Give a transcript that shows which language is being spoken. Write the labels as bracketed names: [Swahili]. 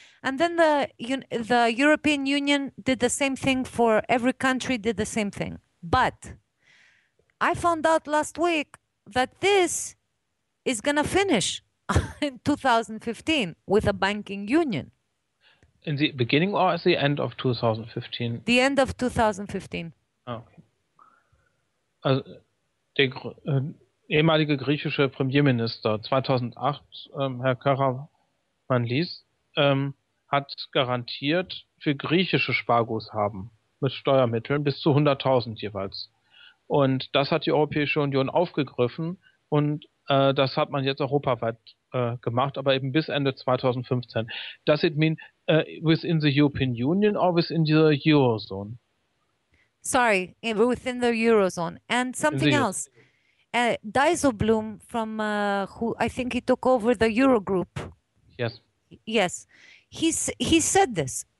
[English] And then the European Union did the same thing for every country, did the same thing. But I found out last week that this is going to finish in 2015 with a banking union. In the beginning or at the end of 2015? The end of 2015. Okay. [German] Also der ehemalige griechische Premierminister 2008, Herr Karamanlis, hat garantiert für griechische Sparguthaben mit Steuermitteln bis zu 100.000 jeweils. Und das hat die Europäische Union aufgegriffen und das hat man jetzt europaweit gemacht, aber eben bis Ende 2015. [English] Does it mean within the European Union or within the Eurozone? Sorry, within the Eurozone. And something else. Dijsselbloem, who I think he took over the Eurogroup. Yes. Yes. He said this.